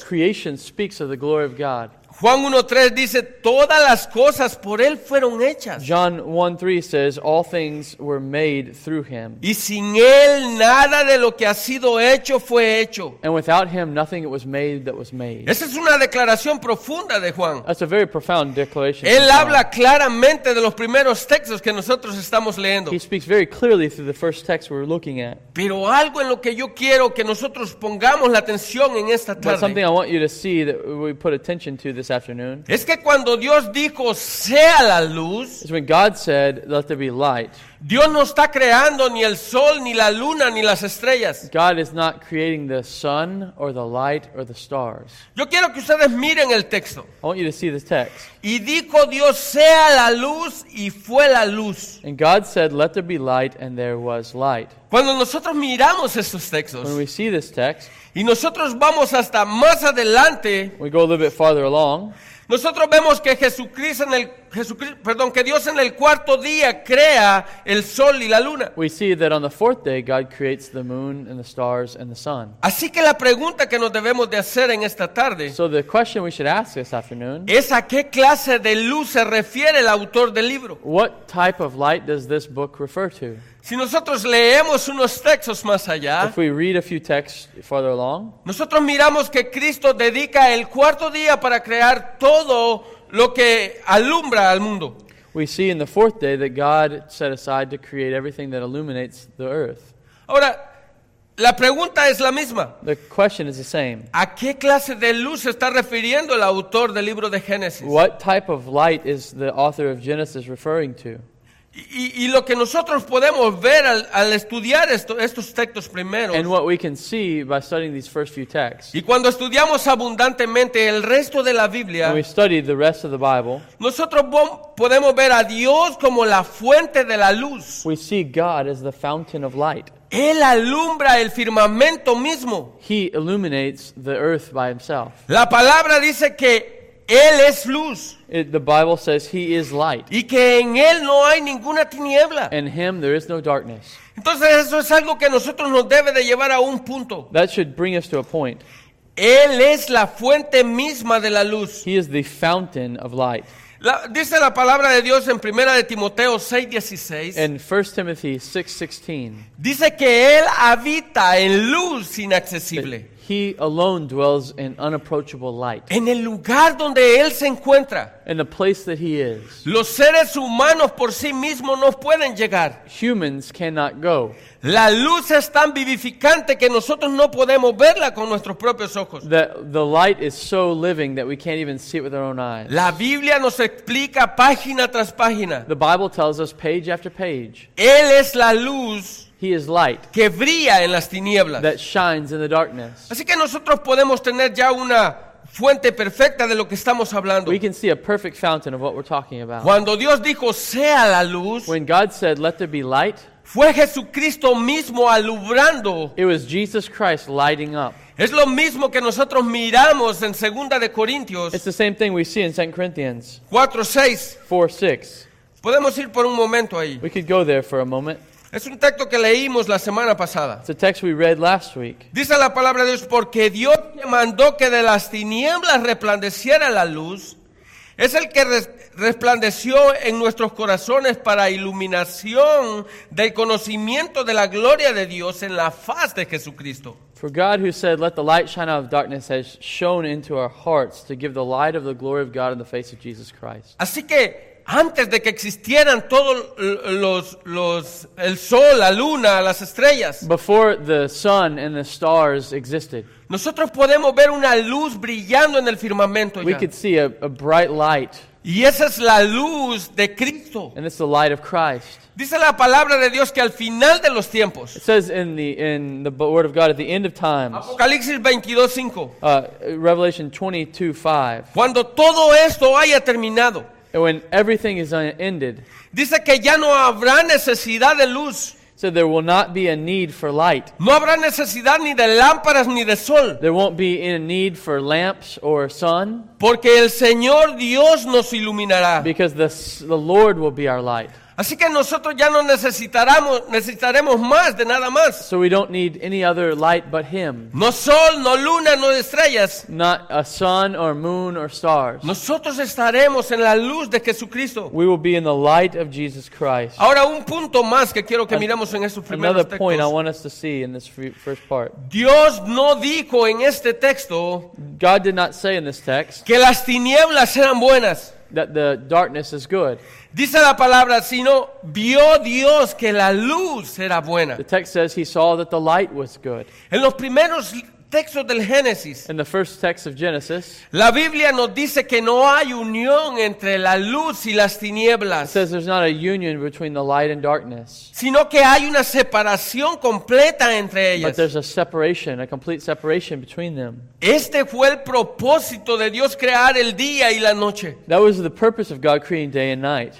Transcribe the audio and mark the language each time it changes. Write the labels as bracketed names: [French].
[English] The creation speaks of the glory of God. [Spanish] Juan 1:3 dice, todas las cosas por él fueron hechas. [English] John 1:3 says, all things were made through him. [Spanish] Y sin él, nada de lo que ha sido hecho fue hecho. [English] And without him, nothing was made that was made. [Spanish] Esa es una declaración profunda de Juan. [English] That's a very profound declaration. [Spanish] Él habla claramente de los primeros textos que nosotros estamos leyendo. [English] He speaks very clearly through the first text we're looking at. [Spanish] Pero algo en lo que yo quiero que nosotros pongamos la atención en esta tarde. [English] But something I want you to see that we put attention to this afternoon. [Spanish] Es que cuando Dios dijo sea la luz, [English] is when God said let there be light. [Spanish] Dios no está creando ni el sol ni la luna ni las estrellas. [English] God is not creating the sun or the light or the stars. [Spanish] Yo quiero que ustedes miren el texto. [English] I want you to see the text. [Spanish] Y dijo Dios sea la luz y fue la luz. [English] And God said let there be light and there was light. [Spanish] Cuando nosotros miramos estos textos, [English] when we see this text, [Spanish] y nosotros vamos hasta más adelante, [English] we go a little bit farther along. [Spanish] Nosotros vemos que que Dios en el cuarto día crea el sol y la luna. [English] We see that on the fourth day God creates the moon and the stars and the sun. [Spanish] Así que la pregunta que nos debemos de hacer en esta tarde, [English] so the question we should ask this afternoon, [Spanish] es a qué clase de luz se refiere el autor del libro. [English] What type of light does this book refer to? [Spanish] Si nosotros leemos unos textos más allá, [English] if we read a few texts farther along, [Spanish] nosotros miramos que Cristo dedica el cuarto día para crear todo lo que alumbra al mundo. [English] We see in the fourth day that God set aside to create everything that illuminates the earth. [Spanish] Ahora, la pregunta es la misma. [English] The question is the same. [Spanish] ¿A qué clase de luz está refiriendo el autor del libro de Génesis? [English] What type of light is the author of Genesis referring to? [Spanish] Y lo que nosotros podemos ver al estudiar estos textos primeros. [English] And what we can see by studying these first few texts. [Spanish] Y cuando estudiamos abundantemente el resto de la Biblia. [English] When we study the rest of the Bible. [Spanish] Nosotros podemos ver a Dios como la fuente de la luz. [English] We see God as the fountain of light. [Spanish] Él alumbra el firmamento mismo. [English] He illuminates the earth by himself. [Spanish] La palabra dice que Él es luz. [English] The Bible says he is light. [Spanish] Y que en él no hay ninguna tiniebla. [English] In him there is no darkness. [Spanish] Entonces eso es algo que nosotros nos debe de llevar a un punto. [English] That should bring us to a point. [Spanish] Él es la fuente misma de la luz. [English] He is the fountain of light. [Spanish] Dice la palabra de Dios en 1 de Timoteo 6:16. [English] In 1 Timothy 6:16. [Spanish] Dice que él habita en luz inaccesible. [English] He alone dwells in unapproachable light. [Spanish] En el lugar donde él se encuentra. [English] In the place that he is. [Spanish] Los seres humanos por sí mismos no pueden llegar. [English] Humans cannot go. [Spanish] La luz es tan vivificante que nosotros no podemos verla con nuestros propios ojos. [English] The light is so living that we can't even see it with our own eyes. [Spanish] La Biblia nos explica página tras página. [English] The Bible tells us page after page. [Spanish] Él es la luz. [English] He is light. [Spanish] Que brilla en las tinieblas. [English] That shines in the darkness. [Spanish] Así que nosotros podemos tener ya una fuente perfecta de lo que estamos hablando. [English] We can see a perfect fountain of what we're talking about. [Spanish] Cuando Dios dijo sea la luz, [English] when God said let there be light, [Spanish] fue Jesucristo mismo alumbrando. [English] It was Jesus Christ lighting up. [Spanish] Es lo mismo que nosotros miramos en 2 de Corintios. [English] It's the same thing we see in 2 Corinthians. [Spanish] 4:6. [English] 4:6. [Spanish] Podemos ir por un momento ahí. [English] We could go there for a moment. [Spanish] Es un texto que leímos la semana pasada. [English] It's a text we read last week. [Spanish] Dice la palabra de Dios, porque Dios que mandó que de las tinieblas resplandeciera la luz, es el que resplandeció en nuestros corazones para iluminación del conocimiento de la gloria de Dios en la faz de Jesucristo. [English] For God who said, let the light shine out of darkness has shone into our hearts to give the light of the glory of God in the face of Jesus Christ. [Spanish] Así que antes de que existieran todos los el sol, la luna, las estrellas, [English] before the sun and the stars existed, [Spanish] nosotros podemos ver una luz brillando en el firmamento. [English] We could see a bright light. [Spanish] Y esa es la luz de Cristo. [English] And it's the light of Christ. [Spanish] Dice la palabra de Dios que al final de los tiempos. [English] It says in the word of God at the end of times. [Spanish] Apocalipsis 22:5. [English] Revelation 22:5. [Spanish] Cuando todo esto haya terminado. [English] And when everything is ended. [Spanish] Dice que ya no habrá necesidad de luz. [English] So there will not be a need for light. [Spanish] No habrá necesidad ni de lámparas ni de sol. [English] There won't be a need for lamps or sun. [Spanish] Porque el Señor Dios nos iluminará. [English] Because the Lord will be our light. [Spanish] Así que nosotros ya no necesitaremos más de nada más. [English] So we don't need any other light but Him. [Spanish] No sol, no luna, no estrellas. [English] Not a sun or moon or stars. [Spanish] Nosotros estaremos en la luz de Jesucristo. [English] We will be in the light of Jesus Christ. [Spanish] Ahora un punto más que quiero que miremos en estos primeros textos. [English] Another point I want us to see in this first part. [Spanish] Dios no dijo en este texto. [English] God did not say in this text. [Spanish] Que las tinieblas eran buenas. [English] That the darkness is good. [Spanish] Dice la palabra, sino vio Dios que la luz era buena. [English] The text says he saw that the light was good. [Spanish] En los primeros textos del Génesis. [English] In the first text of Genesis. [Spanish] La Biblia nos dice que no hay unión entre la luz y las tinieblas. [English] It says there's not a union between the light and darkness. [Spanish] Sino que hay una separación completa entre ellas. [English] But there's a separation, a complete separation between them. [Spanish] Este fue el propósito de Dios crear el día y la noche. [English] That was the purpose of God creating day and night.